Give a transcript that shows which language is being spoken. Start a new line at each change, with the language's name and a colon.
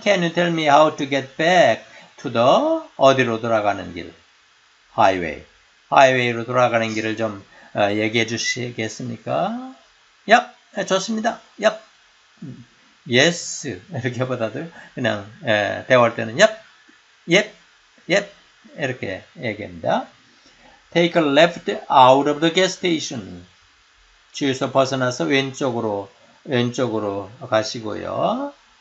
English: Can you tell me how to get back to the
Korean: 어디로 돌아가는 길?
English: Highway.
Korean: Highway로 돌아가는 길을 좀 얘기해 주시겠습니까?
English: Yep,
Korean: 좋습니다.
English: Yep. Yes.
Korean: 이렇게 보다도 그냥 대화할 때는 Yep. Yep. Yep. 이렇게 얘기합니다.
English: Take a left out of the gas station.
Korean: 주유소 벗어나서 왼쪽으로 가시고요.